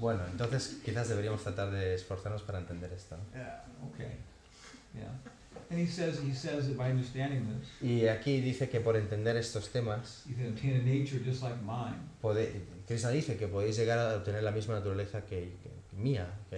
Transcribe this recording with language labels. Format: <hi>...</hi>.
<es>Bueno, entonces quizás deberíamos tratar de esforzarnos para entender esto.</es> <en>Yeah, okay. Yeah. And he says that by understanding this,</en> <es>y aquí dice que por entender estos temas,</es> <en>you can obtain a nature just like mine.</en> <es>Krishna dice que podéis llegar a obtener la misma naturaleza que mía, que</es>